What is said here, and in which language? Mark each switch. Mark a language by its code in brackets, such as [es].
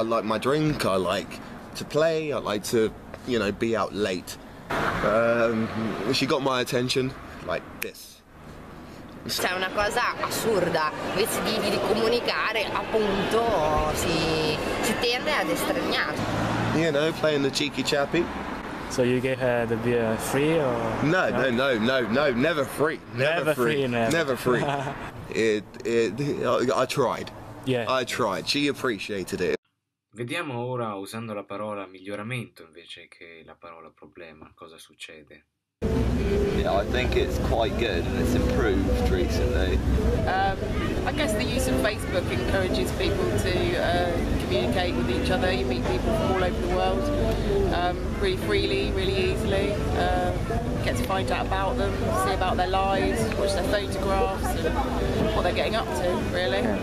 [en] I like my drink, I like to play, I like to, you know, be out late. She got my attention like this. [it] C'è una cosa assurda, invece di comunicare, appunto, si tende ad estraniare. [en] You know, playing the cheeky chappy. So you get her the beer free or? No, never free. Never free. I tried. Yeah. I tried, she appreciated it. [it] Vediamo ora, usando la parola miglioramento invece che la parola problema, cosa succede. [en] Yeah, I think it's quite good and it's improved recently. I guess the use of Facebook encourages people to communicate with each other. You meet people from all over the world really freely, really easily. Get to find out about them, see about their lives, watch their photographs and what they're getting up to, really.